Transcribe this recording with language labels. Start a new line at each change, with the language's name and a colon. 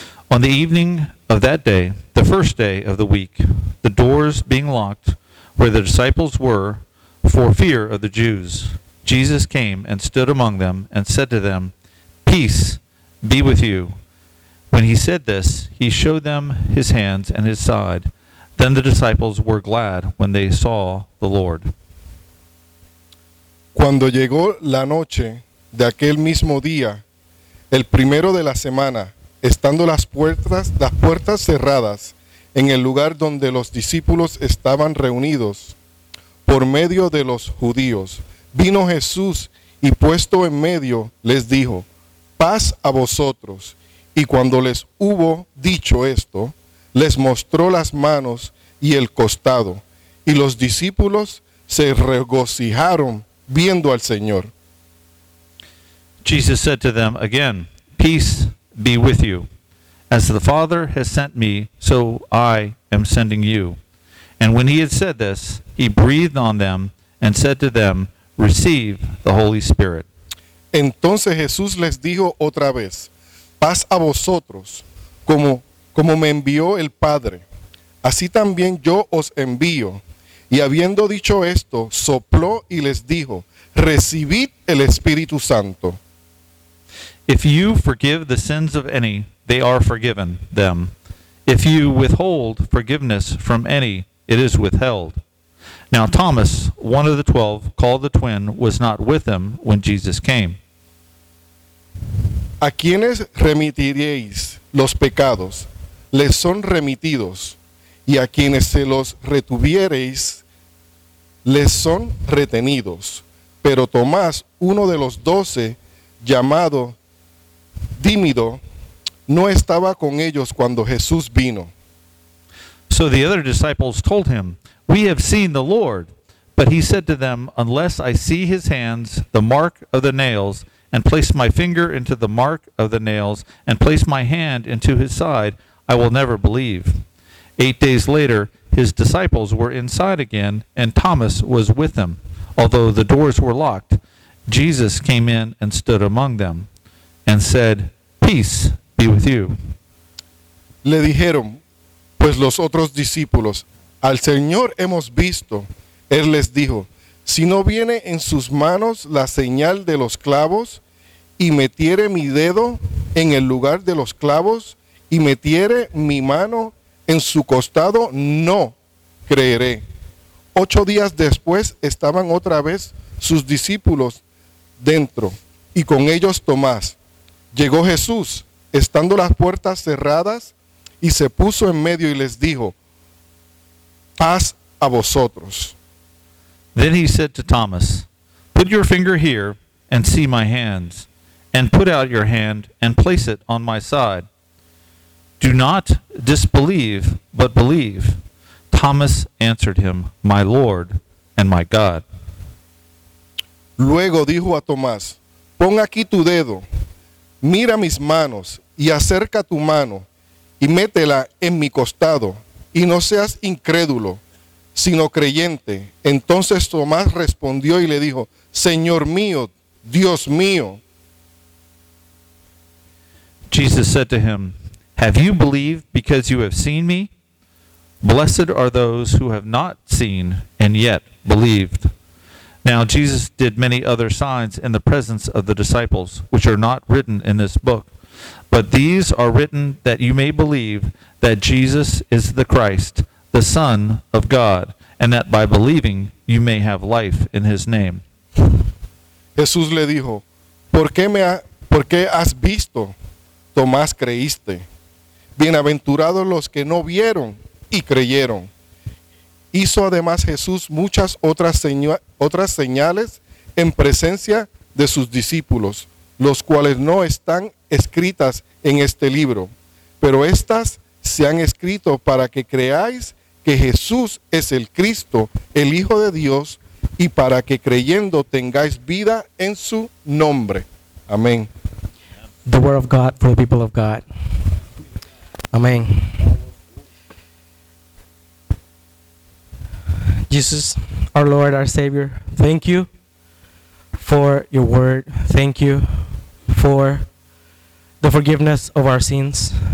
English: On the evening of that day, the first day of the week, the doors being locked where the disciples were for fear of the Jews, Jesus came and stood among them and said to them, "Peace be with you." When he said this, he showed them his hands and his side. Then the disciples were glad when they saw the Lord.
Spanish: Cuando llegó la noche de aquel mismo día, el primero de la semana, estando las puertas cerradas en el lugar donde los discípulos estaban reunidos, por medio de los judíos, vino Jesús y puesto en medio, les dijo, paz a vosotros. Y cuando les hubo dicho esto, les mostró las manos y el costado. Y los discípulos se regocijaron viendo al Señor.
English: Jesus said to them again, peace be with you. As the Father has sent me, so I am sending you. And when he had said this, he breathed on them and said to them, receive the Holy Spirit.
Spanish: Entonces Jesús les dijo otra vez, paz a vosotros, como me envió el Padre. Así también yo os envío. Y habiendo dicho esto, sopló y les dijo, recibid el Espíritu Santo.
English: If you forgive the sins of any, they are forgiven them. If you withhold forgiveness from any, it is withheld. Now Thomas, one of the 12, called the twin, was not with them when Jesus came.
Spanish: ¿A quiénes remitiréis los pecados? Les son remitidos. Y a quienes se los retuviereis, les son retenidos. Pero Tomás, uno de los 12, llamado Dímido, no estaba con ellos cuando Jesús vino.
English: So the other disciples told him, we have seen the Lord. But he said to them, unless I see his hands, the mark of the nails, and place my finger into the mark of the nails, and place my hand into his side, I will never believe. 8 days later, his disciples were inside again, and Thomas was with them. Although the doors were locked, Jesus came in and stood among them, and said, peace be with you.
Spanish: Le dijeron, pues los otros discípulos, al Señor hemos visto. Él les dijo, si no viene en sus manos la señal de los clavos, y metiere mi dedo en el lugar de los clavos, y metiere mi mano en su costado, no creeré. 8 días después estaban otra vez sus discípulos dentro, y con ellos Tomás. Llegó Jesús, estando las puertas cerradas, y se puso en medio y les dijo, paz a vosotros.
English: Then he said to Thomas, put your finger here and see my hands, and put out your hand and place it on my side. Do not disbelieve, but believe. Thomas answered him, my Lord and my God.
Spanish: Luego dijo a Tomás, pon aquí tu dedo, mira mis manos, y acerca tu mano, y métela en mi costado, y no seas incrédulo, sino creyente. Entonces Tomás respondió y le dijo, Señor mío, Dios mío.
English: Jesus said to him, have you believed because you have seen me? Blessed are those who have not seen and yet believed. Now Jesus did many other signs in the presence of the disciples, which are not written in this book. But these are written that you may believe that Jesus is the Christ, the Son of God, and that by believing you may have life in his name.
Spanish: Jesús le dijo, ¿Por qué has visto? Tomás, creíste. Bienaventurados los que no vieron y creyeron. Hizo además Jesús muchas otras señales en presencia de sus discípulos, los cuales no están escritas en este libro, pero estas se han escrito para que creáis que Jesús es el Cristo, el Hijo de Dios, y para que creyendo tengáis vida en su nombre. Amén.
English: The word of God for the people of God. Amén. Jesus, our Lord, our Savior, thank you for your word. Thank you for the forgiveness of our sins.